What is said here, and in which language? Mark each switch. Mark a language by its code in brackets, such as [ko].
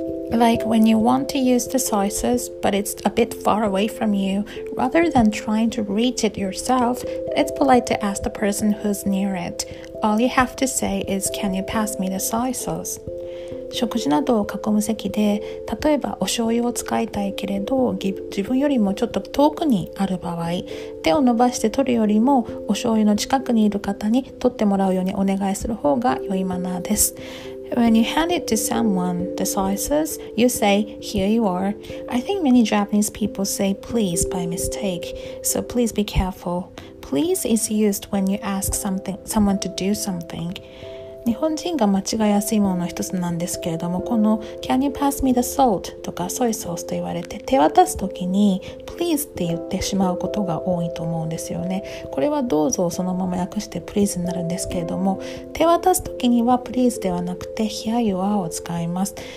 [en] Like when you want to use the sauces, but it's a bit far away from you, rather than trying to reach it yourself, it's polite to ask the person who's near it. All you have to say is, can you pass me the soy sauce? [ja] 食事などを囲む席で、例えばお醤油を使いたいけれど、自分よりもちょっと遠くにある場合、手を伸ばして取るよりもお醤油の近くにいる方に取ってもらうようにお願いする方が良いマナーです。 [en] When you hand it to someone, the soy sauce, you say, here you are. I think many Japanese people say please by mistake, so please be careful. Please is used when you ask someone to do something. [ja] 日本人が間違いやすいものの一つなんですけれども、この Can you pass me the salt? とか soy sauce と言われて、手渡すときに please って言ってしまうことが多いと思うんですよね。これはどうぞそのまま訳して please になるんですけれども、手渡すときには please ではなくて here you are を使います。